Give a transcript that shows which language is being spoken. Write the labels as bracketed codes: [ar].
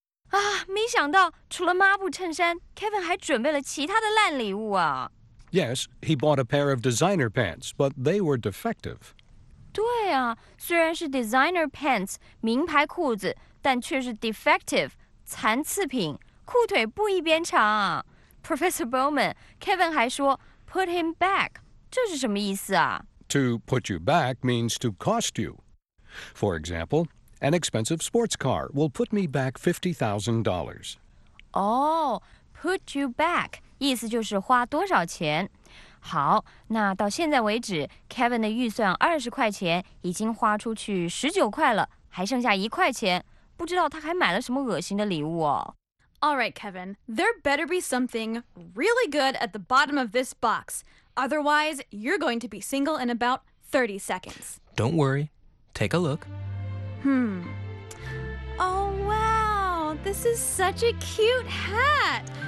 [zh] 啊，没想到，除了抹布衬衫，Kevin 还准备了其他的烂礼物啊。 [en] Yes, he bought a pair of designer pants, but they were defective. [zh] 对啊，虽然是 designer pants, 名牌裤子，但却是 defective, 残次品，裤腿不一边长啊。 Professor Bowman, Kevin 还说 put him back, 这是什么意思啊？ [en] To put you back means to cost you. For example, an expensive sports car will put me back $50,000. Oh, put you back. [zh] 意思就是花多少钱。好，那到现在为止 ，Kevin 的预算20块钱已经花出去19块了，还剩下1块钱，不知道他还买了什么恶心的礼物哦。 [en] All right, Kevin, there better be something really good at the bottom of this box. Otherwise, you're going to be single in about 30 seconds. Don't worry, take a look. Hmm. Oh wow, this is such a cute hat.